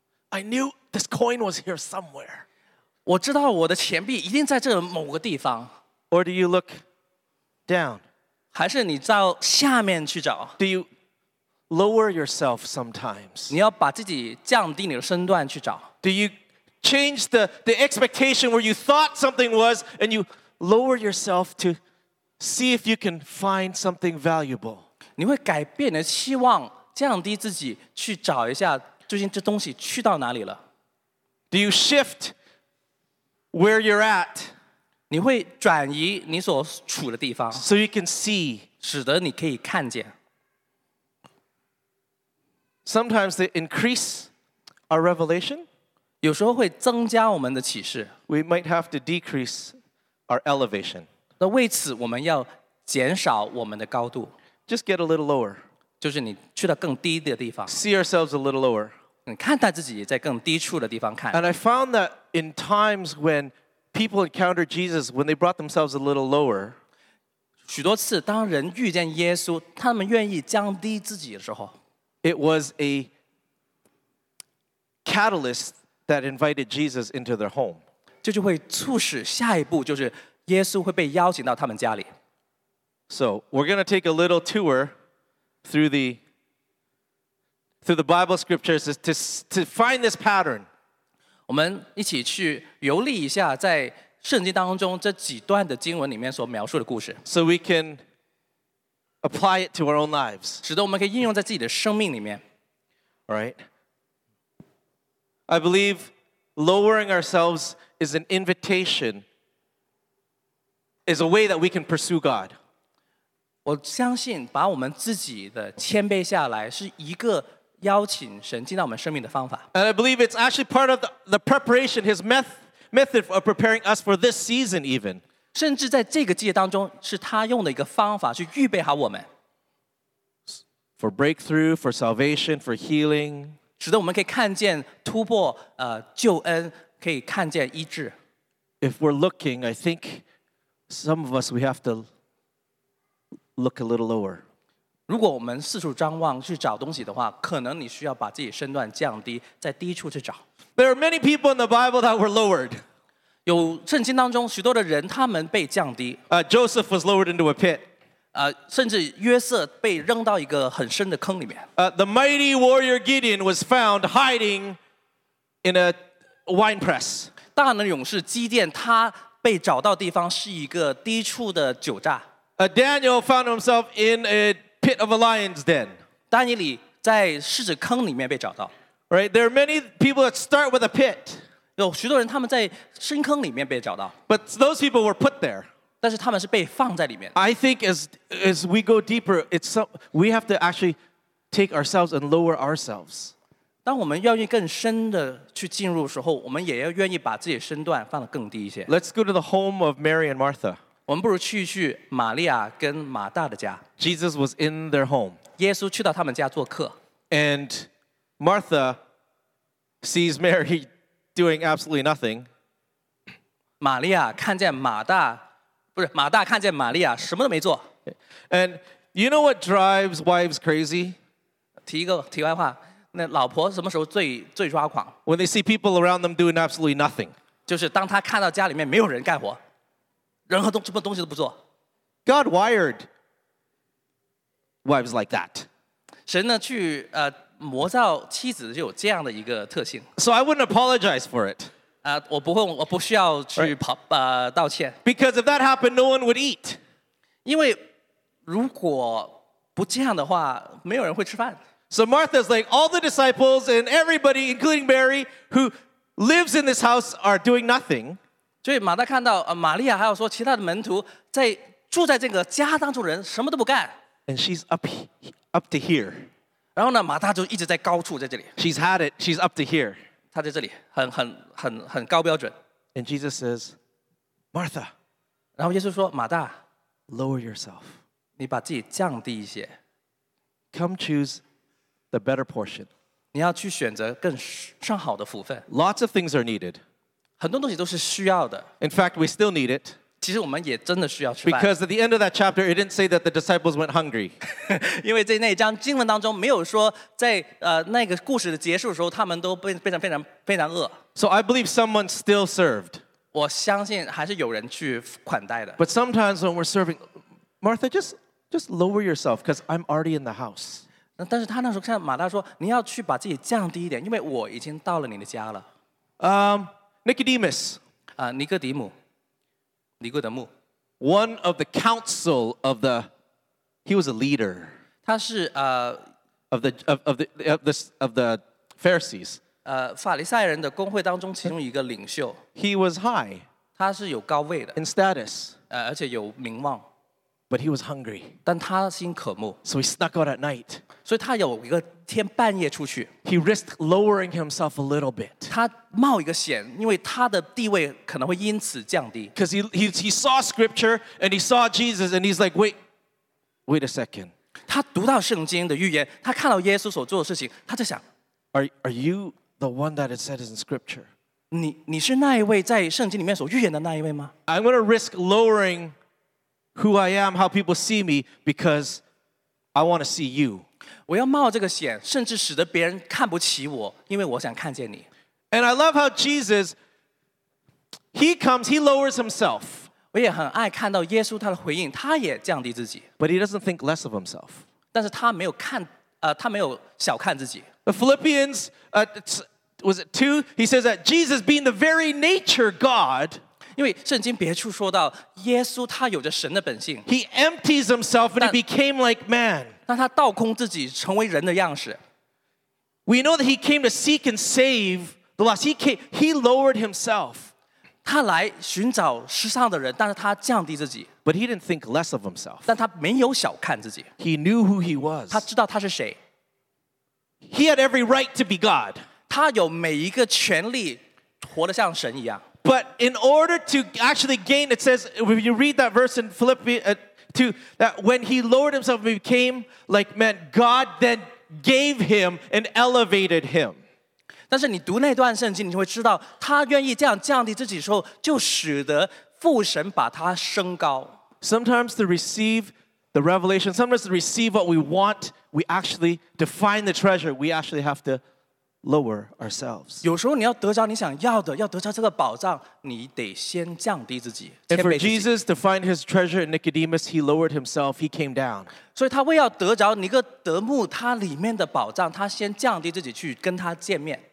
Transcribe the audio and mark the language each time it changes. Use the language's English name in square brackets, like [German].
[English] I knew this coin was here somewhere. [Chinese] 我知道我的钱币一定在这某个地方。 [English] Or do you look down? [Chinese] 还是你到下面去找？ [English] Do you lower yourself sometimes? [Chinese] 你要把自己降低你的身段去找。 [English] Do you change the expectation where you thought something was and you lower yourself to see if you can find something valuable? [Chinese] 你会改变你的期望，降低自己去找一下究竟这东西去到哪里了。 [English] Do you shift where you're at? [Chinese] 你会转移你所处的地方。 [English] So you can see. [Chinese] 使得你可以看见。 [English] Sometimes they increase our revelation. [Chinese] 有时候会增加我们的启示。 [English] We might have to decrease our elevation. [Chinese] 那为此我们要减少我们的高度。 [English] Just get a little lower. [Chinese] 就是你去到更低的地方。 [English] See ourselves a little lower. [Chinese] 你看待自己在更低处的地方看。 [English] And I found that in times when people encounter Jesus, when they brought themselves a little lower, [Chinese] 许多次当人遇见耶稣，他们愿意降低自己的时候， [English] it was a catalyst that invited Jesus into their home. [Chinese] 这就会促使下一步，就是耶稣会被邀请到他们家里。 [English] So we're going to take a little tour through the Bible scriptures to find this pattern. [Chinese] 我们一起去游历一下在圣经当中这几段的经文里面所描述的故事。 [English] So we can apply it to our own lives. [Chinese] 使得我们可以应用在自己的生命里面。 [English] All right. I believe lowering ourselves is an invitation, is a way that we can pursue God. [Chinese] 我相信把我们自己的谦卑下来是一个邀请神进到我们生命的方法。 [English] And I believe it's actually part of the preparation, his method of preparing us for this season even. [Chinese] 甚至在这个季节当中是他用的一个方法去预备好我们。 [English] For breakthrough, for salvation, for healing. [Chinese] 使得我们可以看见突破救恩，可以看见医治。 [English] If we're looking, I think some of us, we have to look a little lower. [Chinese] 如果我们四处张望去找东西的话，可能你需要把自己身段降低，在低处去找。 [English] There are many people in the Bible that were lowered. [Chinese] 有圣经当中许多的人，他们被降低。 [English] Joseph was lowered into a pit. [Chinese] 甚至约瑟被扔到一个很深的坑里面。 [English] The mighty warrior Gideon was found hiding in a wine press. [Chinese] 大能勇士基甸，他被找到的地方是一个低处的酒榨。 [English] Daniel found himself in a pit of a lion's den. [Chinese] 丹尼里在狮子坑里面被找到。 [English] Right, there are many people that start with a pit. [Chinese] 有许多人他们在深坑里面被找到。 [English] But those people were put there. [Chinese] 但是他们是被放在里面。 [English] I think as we go deeper, we have to actually take ourselves and lower ourselves. [Chinese] 当我们要更深的去进入的时候，我们也要愿意把自己身段放得更低一些。 [English] Let's go to the home of Mary and Martha. [Chinese] 我们不如去玛利亚跟马大的家。 [English] Jesus was in their home. [Chinese] 耶稣去到他们家做客。 [English] And Martha sees Mary doing absolutely nothing. [Chinese] 玛利亚看见马大，不是马大看见玛利亚什么都没做。 [English] And you know what drives wives crazy? [Chinese] 题外话，那老婆什么时候最抓狂？ [English] When they see people around them doing absolutely nothing. [Chinese] 就是当她看到家里面没有人干活，任何什么东西都不做。 [English] God wired wives like that. [Chinese] 神呢去魔造妻子就有这样的一个特性。 [English] So I wouldn't apologize for it. [Chinese] 我不需要去道歉。 [English] Because if that happened, no one would eat. [Chinese] 因为如果不这样的话，没有人会吃饭。 [English] So Martha's like, all the disciples and everybody, including Mary, who lives in this house, are doing nothing. [Chinese] 所以马大看到玛利亚还有说其他的门徒在住在这个家当中的人什么都不干。 [English] And she's up to here. [Chinese] 然后呢，马大就一直在高处，在这里。 [English] She's had it. She's up to here. [Chinese] 她在这里，很高标准。 [English] And Jesus says, Martha. [Chinese] 然后耶稣说，马大 [English] ，Lower yourself. [Chinese] 你把自己降低一些。 [English] Come choose the better portion. [Chinese] 你要去选择更上好的福分。 [English] Lots of things are needed. [Chinese] 很多东西都是需要的。 [English] In fact, we still need it. [Chinese] 其实我们也真的需要吃饭。 [English] Because at the end of that chapter, it didn't say that the disciples went hungry. [Chinese] 因为在那一章经文当中没有说在那个故事的结束的时候他们都非常非常非常饿。 [English] So I believe someone still served. [Chinese] 我相信还是有人去款待的。 [English] But sometimes when we're serving, Martha, just lower yourself because I'm already in the house. [Chinese] 但是他那时候看马大说你要去把自己降低一点因为我已经到了你的家了。 [English] Nicodemus. [Chinese] 尼哥底母。尼哥底母。 [English] One of the council of the, he was a leader. [Chinese] 他是 [English] of the Pharisees. [Chinese] 法利赛人的公会当中其中一个领袖。 [English] He was high. [Chinese] 他是有高位的。 [English] In status. [Chinese] 而且有名望。 [English] But he was hungry. [Chinese] 但他心渴慕。 [English] So he snuck out at night. [Chinese] 所以他有一个天半夜出去。 [English] He risked lowering himself a little bit. [Chinese] 他冒一个险，因为他的地位可能会因此降低。 [English] Because he saw scripture and he saw Jesus and he's like, wait a second. [Chinese] 他读到圣经的预言，他看到耶稣所做的事情，他就想 [English] ，Are you the one that it says in scripture? [Chinese] 你是那一位在圣经里面所预言的那一位吗 [English] ？I'm going to risk lowering. Who I am, how people see me, because I want to see you. [Chinese] 我要冒这个险，甚至使得别人看不起我，因为我想看见你。 [English] And I love how Jesus, he comes, he lowers himself. [Chinese] 我也很爱看到耶稣他的回应，他也降低自己。 [English] But he doesn't think less of himself. [Chinese] 但是他没有看，他没有小看自己。 [English] The Philippians, was it 2? He says that Jesus being the very nature God, [Chinese] 因为圣经别处说到耶稣他有着神的本性 [English] He empties himself and he became like man [Chinese] 但他倒空自己成为人的样式 [English] We know that he came to seek and save the lost He lowered himself [Chinese] 他来寻找失丧的人但是他降低自己 [English] But he didn't think less of himself [Chinese] 但他没有小看自己 [English] He knew who he was [Chinese] 他知道他是谁 [English] He had every right to be God [Chinese] 他有每一个权利活得像神一样 [English] But in order to actually gain, it says, when you read that verse in Philippians 2, that when he lowered himself and became like man, God then gave him and elevated him. [Chinese] 但是你读那段圣经，你就会知道，他愿意这样降低自己的时候，就使得父神把他升高。 [English] Sometimes to receive the revelation, sometimes to receive what we want, we actually, to find the treasure, we actually have to... Lower ourselves. [Chinese] 有时候你要得着你想要的，要得着这个宝藏，你得先降低自己。 [English] And for Jesus to find his treasure in Nicodemus, he lowered himself. He came down. [Chinese] 所以他为要得着尼哥德慕他里面的宝藏，他先降低自己去跟他见面。